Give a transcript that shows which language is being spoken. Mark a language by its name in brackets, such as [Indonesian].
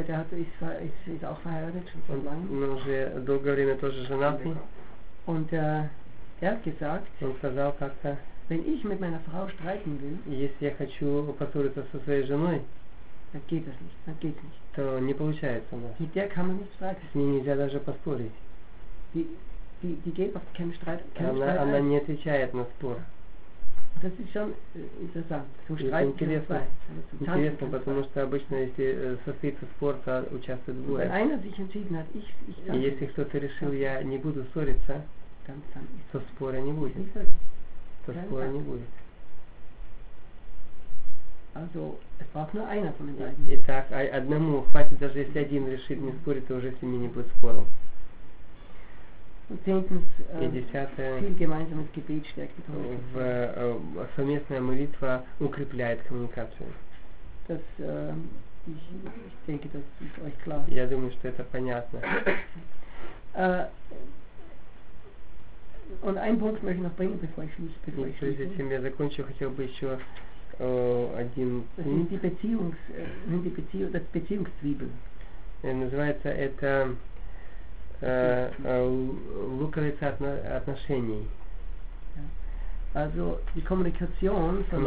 [German] der ist auch verheiratet schon seit langem. [Russian] Он уже долгое время тоже женатый. [German] Und er hat gesagt, wenn ich mit meiner Frau streiten will, [Russian] если я хочу поссориться со своей женой, [German] dann geht das nicht. [Russian] То не получается у нас. [German] Mit der kann man nicht streiten. [Russian] С ней нельзя даже поспорить. [German] Die geht auf keinen Streit. [Russian] Она не отвечает на спор. [German] Das ist schon interessant. [Russian] Интересно, потому что обычно, если состоится спор, то участвует двое. [German] Wenn einer sich entschieden hat, ich dann. [Russian] Если кто-то решил, я не буду ссориться. То спора не будет. То спора не будет. [German] Also, es braucht nur einer von den beiden. [Russian] Итак, одному хватит, даже если один решит не спорить, то уже с ними не будет спору. [German] Und zehntens, viel gemeinsames Gebet stärkt die Kommunikation. [Russian] Совместная молитва укрепляет коммуникацию. [German] Das, ich denke, das ist euch klar. [Russian] Я думаю, что это понятно. [German] Und einen Punkt möchte ich noch bringen, bevor ich schließe. [Russian] Прежде чем я закончу, хотел бы еще один пункт. Beziehungszwiebel. Называется это луковица отношений. [German] Also, die Kommunikation